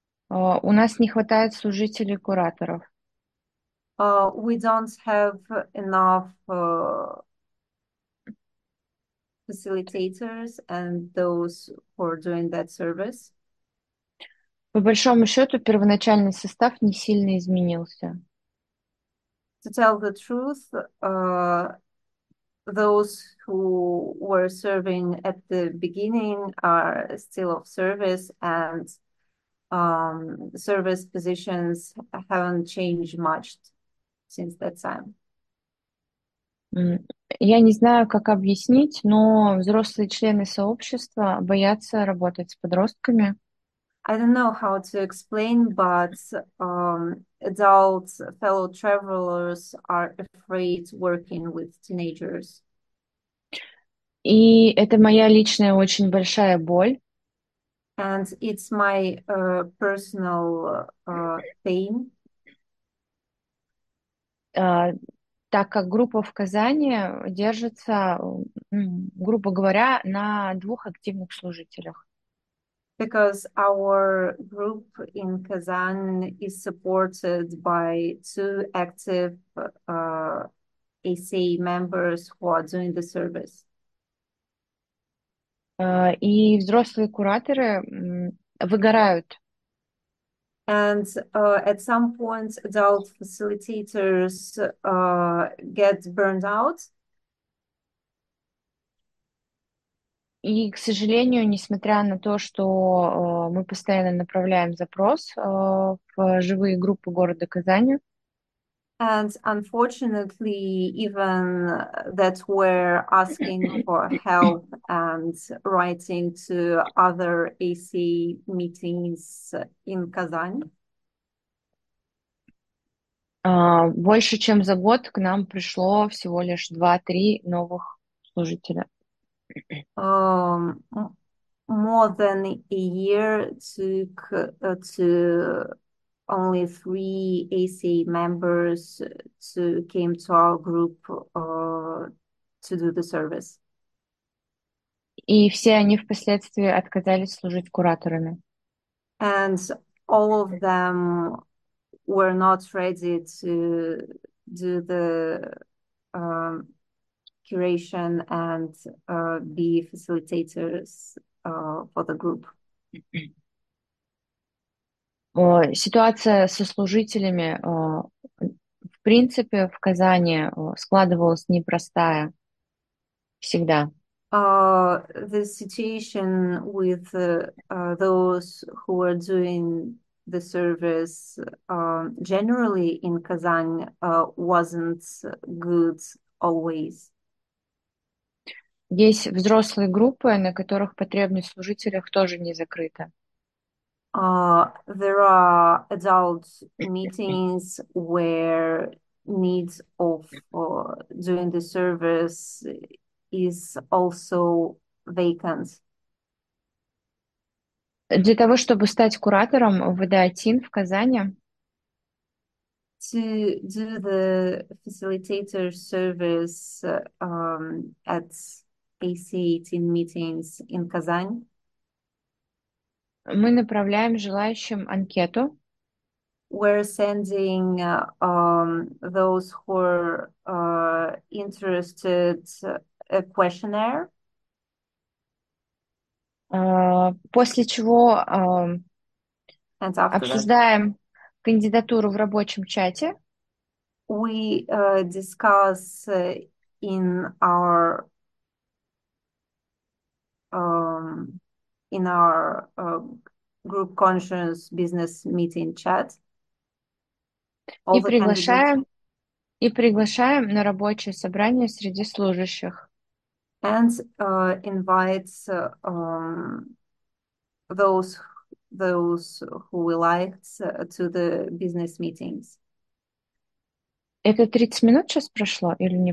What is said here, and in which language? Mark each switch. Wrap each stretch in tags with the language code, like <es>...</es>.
<ru>У нас не хватает служителей-кураторов.</ru> <en>We don't have enough facilitators and those who are doing that service.</en> <ru>По большому счету, первоначальный состав не сильно изменился.</ru> <en>To tell the truth, those who were serving at the beginning are still of service, and service positions haven't changed much since that time.</en> <ru>Я не знаю, как объяснить, но взрослые члены сообщества боятся работать с подростками.</ru> <en>I don't know how to explain, but adult fellow travelers are afraid working with teenagers.</en> <ru>И это моя личная очень большая боль.</ru> <en>And it's my personal pain.</en> <ru>Так как группа в Казани держится, грубо говоря, на двух активных служителях.</ru> <en>Because our group in Kazan is supported by two active ACA members who are doing the service.</en> <ru>И взрослые кураторы выгорают.</ru> <en>And at some point, adult facilitators get burned out.</en> <ru>И, к сожалению, несмотря на то, что мы постоянно направляем запрос в живые группы города Казани.</ru> <en>And unfortunately, even that we're asking for help and writing to other AC meetings in Kazan.</en> <ru>Больше чем за год к нам пришло всего лишь 2-3 новых служителя.</ru> <en>More than a year to only three AC members to came to our group to do the service.</en> <ru>И все они впоследствии отказались служить кураторами.</ru> <en>And all of them were not ready to do the curation and be facilitators for the group.</en> <ru>Ситуация со служителями, в принципе, в Казани складывалась непростая всегда.</ru> <en>The situation with those who were doing the service generally in Kazan wasn't good always.</en> <ru>Есть взрослые группы, на которых потребность в служителях тоже не закрыта.</ru> <en>There are adult meetings where needs of doing the service is also vacant.</en> <ru>Для того, чтобы стать куратором ВД-АТИН в Казани,</ru> <en>To do the facilitator service at AC18 meetings in Kazan.</en> <ru>мы направляем желающим анкету.</ru> <en>We're sending those who are interested a questionnaire.</en> <ru>После чего</ru> <en>And after that,</en> <ru>обсуждаем кандидатуру в рабочем чате.</ru> <en>we discuss in our group conscience business meeting chat. All</en> <ru>И</ru> <en>the candidates.</en> <ru>приглашаем на рабочее собрание среди служащих.</ru> <en>And invites those who we liked to the business meetings.</en> <ru>Это 30 минут сейчас прошло или не</ru>